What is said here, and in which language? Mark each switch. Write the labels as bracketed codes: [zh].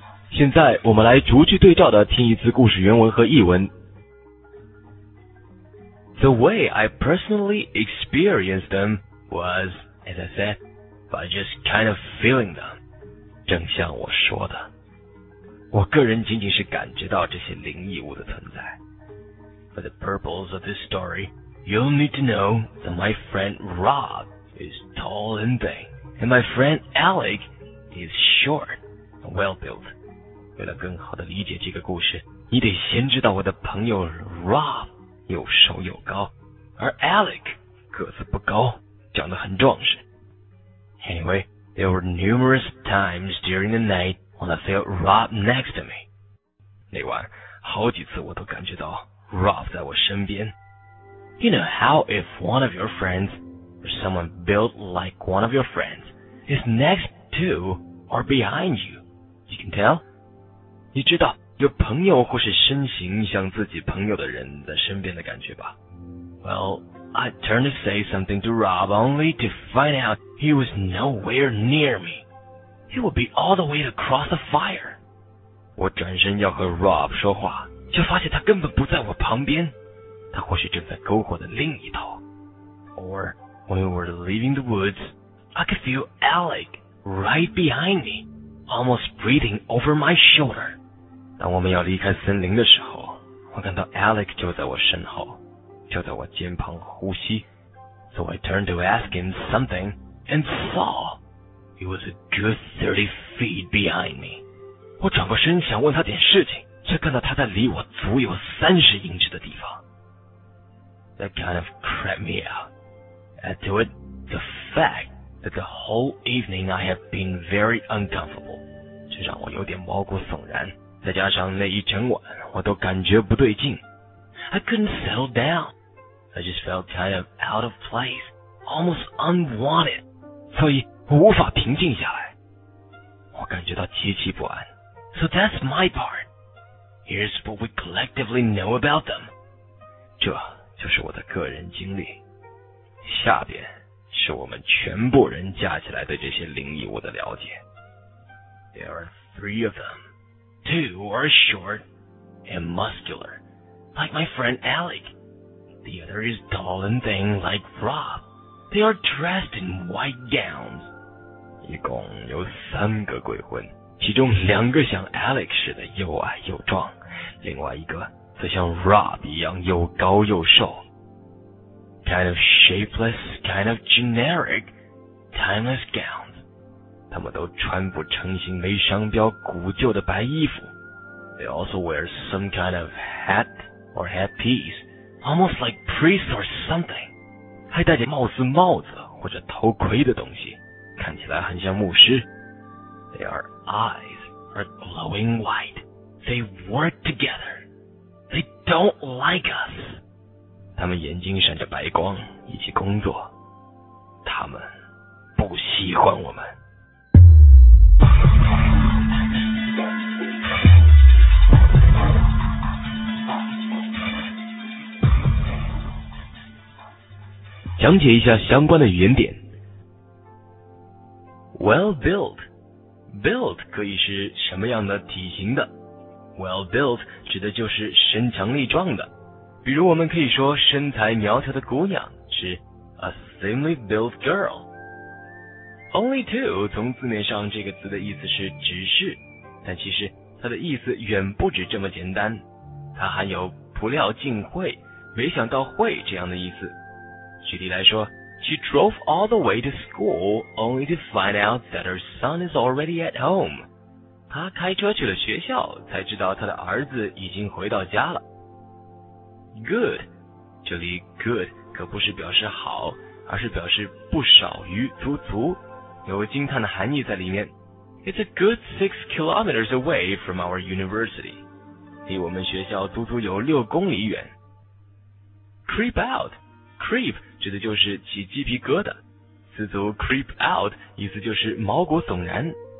[zh] 现在我们来逐句对照的听一次故事原文和译文。 [en] The way I personally experienced them was, as I said, by just kind of feeling them. [zh] 正像我说的，我个人仅仅是感觉到这些灵异物的存在。 [en] For the purpose of this story, you'll need to know that my friend Rob is tall and thin, and my friend Alec is short and well-built. [zh] 为了更好地理解这个故事，你得先知道我的朋友 Rob 又瘦又高，而 Alec 个子不高，长得很壮实。 [en] Anyway, There were numerous times during the night when I felt Rob next to me. [zh] 那晚好几次我都感觉到 Rob 在我身边。 [en] You know how if one of your friends, or someone built like one of your friends, is next to or behind you, you can tell? [zh] 你知道有朋友或是身形像自己朋友的人在身边的感觉吧。 [en] Well, I turned to say something to Rob only to find out he was nowhere near me. He would be all the way across the fire. [zh] 我转身要和 Rob 说话，却发现他根本不在我旁边。他或许正在篝火的另一头。 [en] Or, when we were leaving the woods, I could feel Alec right behind me, almost breathing over my shoulder. [zh] 当我们要离开森林的时候，我看到 Alec 就在我身后，就在我肩旁呼吸。 [en] So I turned to ask him something and saw he was a good 30 feet behind me. [zh] 我转过身想问他点事情，却看到他在离我足有30英尺的地方。 [en] That kind of crept me out. Add to it the fact that the whole evening I have been very uncomfortable. [zh] 这让我有点毛骨悚然，再加上那一整晚我都感觉不对劲。 [en] I couldn't settle down. I just felt kind of out of place, almost unwanted. [zh] 所以我无法平静下来。我感觉到极其不安。 [en] So that's my part. Here's what we collectively know about them. [zh] 这就是我的个人经历，下边是我们全部人加起来对这些灵异物的了解。 [en] There are three of them. Two are short and muscular, like my friend Alec. The other is tall and thin, like Rob. They are dressed in white gowns. [zh] 一共有三个鬼魂，其中两个像 Alec 似的又矮又壮，另外一个则像 Rob 一样又高又瘦。 [en] Kind of shapeless, kind of generic, timeless gowns. [zh] 他们都穿不成型，没商标，古旧的白衣服。 [en] They also wear some kind of hat or headpiece, almost like priests or something. [zh] 还戴着帽子、帽子或者头盔的东西，看起来很像牧师。 [en] Their eyes are glowing white. They work together. They don't like us. [zh] 他们眼睛闪着白光，一起工作。他们不喜欢我们。讲解一下相关的语言点。 [en] Well built. [zh] Built 可以是什么样的体型的？ [en] Well built [zh] 指的就是身强力壮的，比如我们可以说身材苗条的姑娘是 [en] a thinly built girl. Only two [zh] 从字面上这个词的意思是只是，但其实它的意思远不止这么简单，它含有不料竟会、没想到会这样的意思。举例来说， [en] She drove all the way to school only to find out that her son is already at home. [zh] 他开车去了学校，才知道他的儿子已经回到家了。 [en] Good， [zh] 这里 good 可不是表示好，而是表示不少于、足足，有惊叹的含义在里面。 [en] It's a good 6 kilometers away from our university， [zh] 离我们学校足足有6公里远。 [en] Creep out，creep [zh] 指的就是起鸡皮疙瘩，此足 creep out 意思就是毛骨悚然。